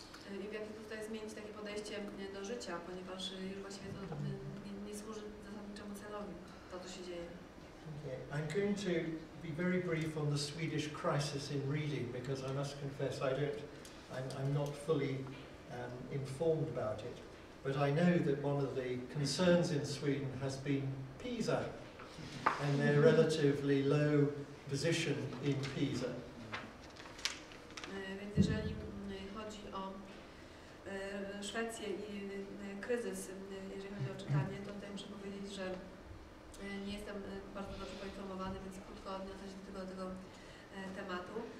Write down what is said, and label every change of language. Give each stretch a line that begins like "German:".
Polish: I w jaki sposób zmienić takie podejście do życia, ponieważ już właściwie to nie służy zasadniczemu celowi, to co się dzieje.
English: Okay. I'm going to be very brief on the Swedish crisis in reading because I must confess I don't, I'm not fully informed about it. But I know that one of the concerns in Sweden has been PISA and their relatively low position in PISA.
Polish: Więc jeżeli chodzi o Szwecję i kryzys, jeżeli chodzi o czytanie, to tutaj muszę powiedzieć, że nie jestem bardzo dobrze poinformowany, więc krótko odniosę się do tego tematu.